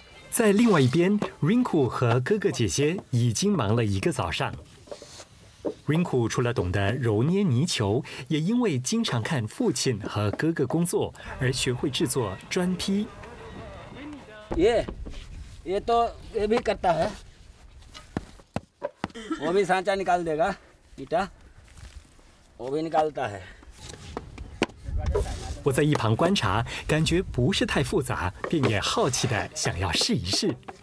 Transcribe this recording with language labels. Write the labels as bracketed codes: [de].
[zh] 在另外一边 ，Rinku 和哥哥姐姐已经忙了一个早上。 Rinku 除了懂得揉捏泥球，也因为经常看父亲和哥哥工作而学会制作砖坯。 [hi] ये तो ये भी करता है, वो भी सांचा निकाल देगा, बेटा, वो भी निकालता है。 [zh] 我在一旁观察，感觉不是太复杂，并也好奇的想要试一试。